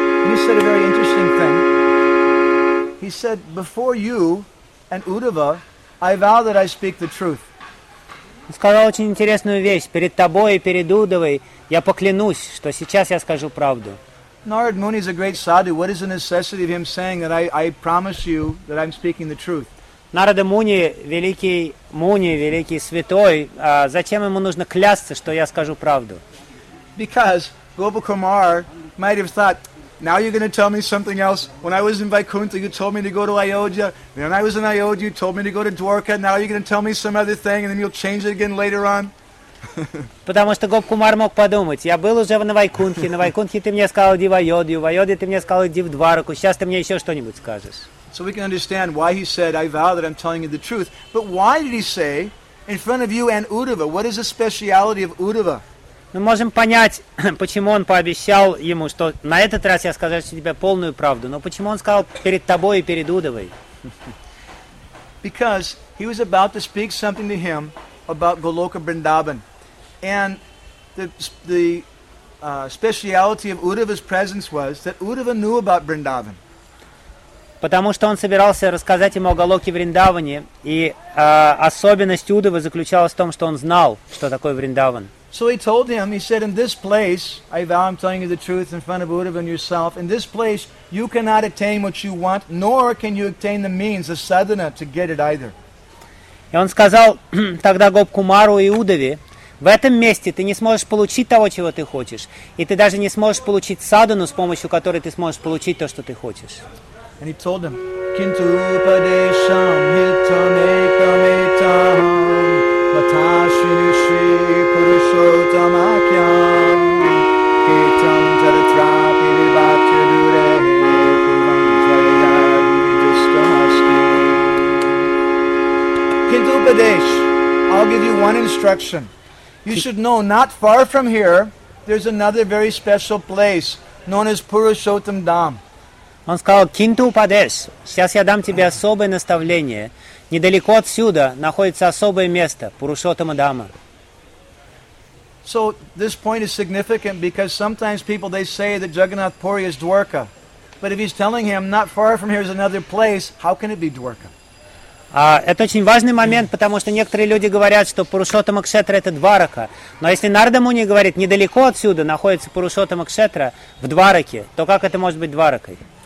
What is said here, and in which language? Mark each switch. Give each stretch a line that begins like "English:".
English: He said a very interesting thing. He said, before you and Uddhava, I vow that I speak the truth.
Russian: Он сказал очень интересную вещь. Перед тобой и перед Уддхавой я поклянусь, что сейчас я скажу правду.
English: Narad Muni is a great sadhu. What is the necessity of him saying that I promise you that I'm speaking the truth?
Russian: Narada Muni, великий святой, зачем ему нужно клясться, что я скажу правду?
English: Because Gopa Kumar might have thought, now you're going to tell me something else. When I was in Vaikuntha, you told me to go to Ayodhya. When I was in Ayodhya, you told me to go to Dwarka. Now you're going to tell me some other thing, and then you'll change it again later on.
Russian: Потому что Гоп Кумар мог подумать, я был уже в Вайкунтхе, на Вайкунтхе ты мне сказал, иди в Айодью, в Айодью ты мне сказал, иди в Двараку, сейчас ты мне еще что-нибудь скажешь.
English: So we can understand why he said, I vow that I'm telling you the truth. But why did he say, in front of you and Uddhava, what is the speciality of Uddhava?
Russian: Мы можем понять, почему он пообещал ему, что на этот раз я скажу тебе полную правду, но почему он сказал перед тобой и перед Уддхавой?
English: Because he was about to speak something to him about Goloka Vrindavan. And the speciality of Uddhava's presence was that Uddhava knew about Vrindavan.
Russian: Потому что он собирался рассказать ему о Галоке Вриндаване, и особенность Удава заключалась в том, что он знал, что такое Вриндаван.
English: So he told him, he said, in this place, I vow I'm telling you the truth in front of Udhava and yourself, in this place you cannot attain what you want, nor can you attain the means, the sadhana, to get it either.
Russian: И он сказал тогда Гопкумару и Удаве, в этом месте ты не сможешь получить того, чего ты хочешь, и ты даже не сможешь получить садхану, с помощью которой ты сможешь получить то, что ты хочешь.
English: And he told them,
Sanskrit: Kintupadesham hitamekametaham Matashinishri purushottamakyam Ketam taratrapi vivatyadure Kuvantarayadvijastamaskim Kintupadesh,
English: I'll give you one instruction. You should know, not far from here, there's another very special place known as Purushottam Dham.
Russian: Он сказал, Кинту Упадеш, сейчас я дам тебе особое наставление. Недалеко отсюда находится особое место, Пурушоттама Дхамма.
English: So this point is significant because sometimes people they say that Jagannath Puri is Dwarka. But if he's telling him, not far from here is another place, how can it be Dwarka?
Russian: Это очень важный момент, потому что некоторые люди говорят, что Пурушоттама Кшетра это Дварака. Но если Нарада Муни говорит, недалеко отсюда находится Пурушоттама Кшетра в Двараке, то как это может быть Дваракой?